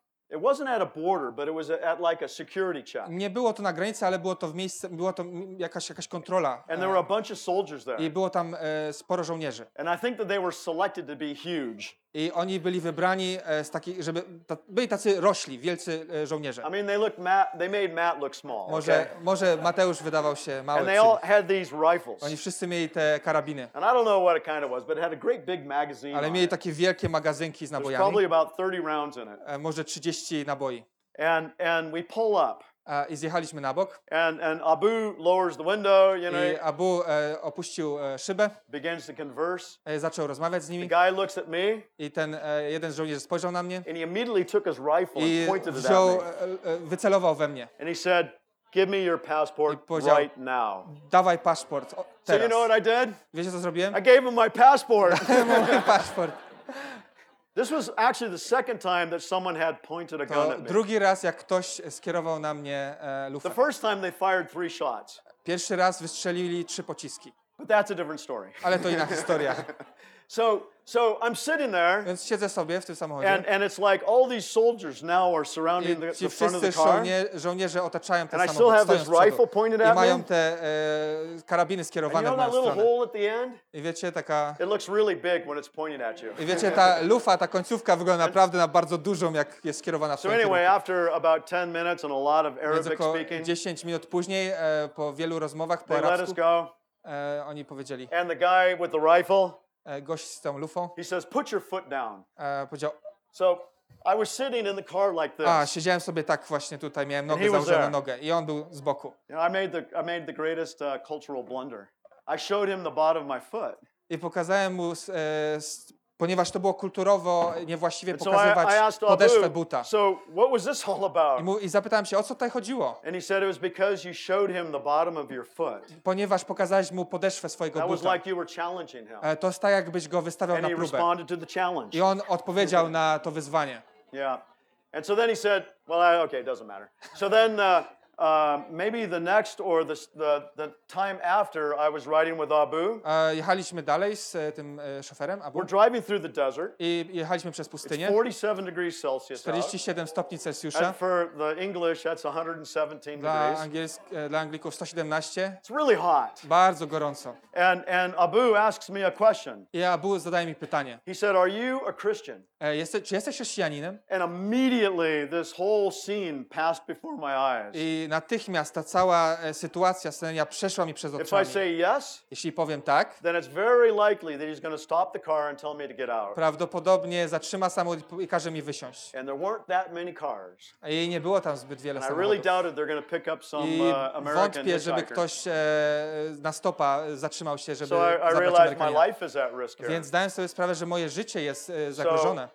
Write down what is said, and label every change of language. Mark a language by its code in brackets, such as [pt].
[en] It wasn't at a border, but it was at like a security check. [pl] Nie było to na granicy, ale było to w miejscu, było to jakaś kontrola. [en] And there were a bunch of soldiers there. [pl] I było tam sporo żołnierzy. [en] And I think that they were selected to be huge. [pl] I oni byli wybrani z takich, żeby byli tacy rośli, wielcy żołnierze. [en] I mean, they made Matt look small. [pl] Może okay. Może Mateusz wydawał się mały. [en] And they all had these rifles. [pl] Oni wszyscy mieli te karabiny. [en] And I don't know what it kind of was, but it had a great big magazine. [pl] Ale mieli takie wielkie magazynki z nabojami. [en] Probably about 30 rounds in it. [pl] Może 30 naboi. [en] And we pull up. [pl] I zjechaliśmy na bok. [en] And Abu lowers the window, you know. [pl] I Abu opuścił szybę. [en] Begins to converse. [pl] Zaczął rozmawiać z nimi. [en] The guy looks at me. [pl] I ten jeden żołnierz spojrzał na mnie. [en] And he immediately took his rifle and pointed it at me. [pl] Wycelował we mnie. [en] And he said, "Give me your passport right now." [pl] Dawaj paszport teraz. [en] So you know what I did? [pl] Wiecie co zrobiłem? [en] I gave him my passport. [pl] Mój paszport. [en] This was actually the second time that someone had pointed a gun at me. [pl] Drugi raz, jak ktoś skierował na mnie lufę. [en] The first time they fired 3 shots. [pl] Pierwszy raz wystrzelili 3 pociski. [en] But that's a different story. [pl] Ale to inna historia. [en] So I'm sitting there. [pl] Więc siedzę sobie w tym samochodzie. [en] And it's like all these soldiers now are surrounding the front of the car. [pl] Wszyscy żołnierze otaczają ten samochód. [en] And I still have this rifle pointed at me. [pl] I mają te karabiny skierowane w moją stronę. [en] You know that little hole at the end? [pl] I wiecie taka. [en] It looks really big when it's pointed at you. [pl] I wiecie ta lufa, ta końcówka wygląda naprawdę na bardzo dużą, jak jest skierowana w stronę. [en] So anyway, after about 10 minutes and a lot of Arabic speaking. [pl] 10 minut później, po wielu rozmowach po arabsku. [en] They let us go. [pl] Oni powiedzieli. [en] And the guy with the rifle. [pl] Gość z tą lufą. [en] He says, "Put your foot down." [pl] Powiedział. [en] So I was sitting in the car like this. [pl] Siedziałem sobie tak właśnie tutaj, miałem nogę założoną nogę i on był z boku. [en] You know, I made the greatest cultural blunder. I showed him the bottom of my foot. [pl] I pokazałem mu, ponieważ to było kulturowo niewłaściwie pokazywać podeszwę buta. [en] So what was this all about? [pl] I zapytałem się, o co tutaj chodziło? [en] And he said it was because you showed him the bottom of your foot. [pl] Ponieważ pokazałeś mu podeszwę swojego buta. [en] That was like you were challenging him. [pl] To jest tak, jakbyś go wystawiał na próbę. [en] And he responded to the challenge. [pl] I on odpowiedział na to wyzwanie. [en] Yeah. And so then he said, well, okay, it doesn't matter. So then maybe the next or the time after I was riding with Abu. [pl] Jechaliśmy dalej z tym szoferem Abu. [en] We're driving through the desert. [pl] I jechaliśmy przez pustynię. [en] It's 47 degrees Celsius. [pl] 47 stopni Celsjusza. [en] And for the English, that's 117 [pl] dla [en] degrees. [pl] Dla Anglików 117. [en] It's really hot. [pl] Bardzo gorąco. [en] And Abu asks me a question. [pl] I Abu zadaje mi pytanie. [en] He said, "Are you a Christian?" [pl] Czy jesteś chrześcijaninem? [en] And immediately this whole scene passed before my eyes. [pl] I natychmiast ta cała sytuacja, scena przeszła mi przez oczami. [en] If I say yes, [pl] jeśli powiem tak, [en] then it's very likely that he's going to stop the car and tell me to get out. [pl] Prawdopodobnie zatrzyma samochód i każe mi wysiąść. [en] And there weren't that many cars. [pl] I nie było tam zbyt wiele samochodów. [en] I really doubted they're going to pick up some American. [pl] Wątpię, żeby ktoś na stopa zatrzymał się, żeby zabrać Amerykanina. [en] So I realized my life is at risk here. [pl] Więc zdałem sobie sprawę, że moje życie jest zagrożone.